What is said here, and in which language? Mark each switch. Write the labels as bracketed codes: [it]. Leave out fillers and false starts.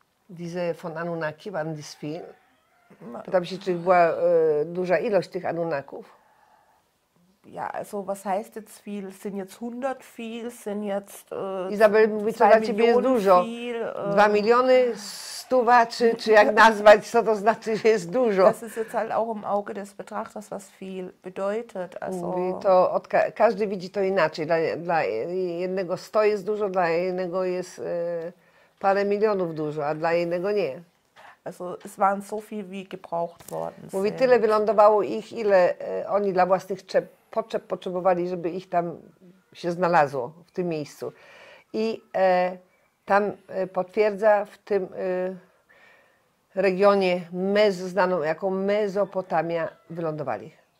[de] Diese von Anunnaki, waren das viel? [pl] Pytam się, czy była duża ilość tych Anunnaków. [de] Ja, also was heißt jetzt viel? Sind jetzt 100 viel? Sind jetzt [pl] Izabel mówi, co dla ciebie jest dużo. 2 miliony, stuwa, czy jak nazwać, co to znaczy, że jest dużo? [de] Das ist jetzt halt auch im Auge des Betrachters, was viel bedeutet. Also [pl] to każdy widzi to inaczej. Dla jednego 100 jest dużo, dla innego jest parę milionów dużo, a dla innego nie. [de] Also es waren so viel wie gebraucht worden. [pl] Mówi, tyle wylądowało ich, ile oni dla własnych potrzeb potrzebowali, żeby ich tam się znalazło, w tym miejscu. I tam potwierdza, w tym regionie znaną jako Mezopotamia wylądowali.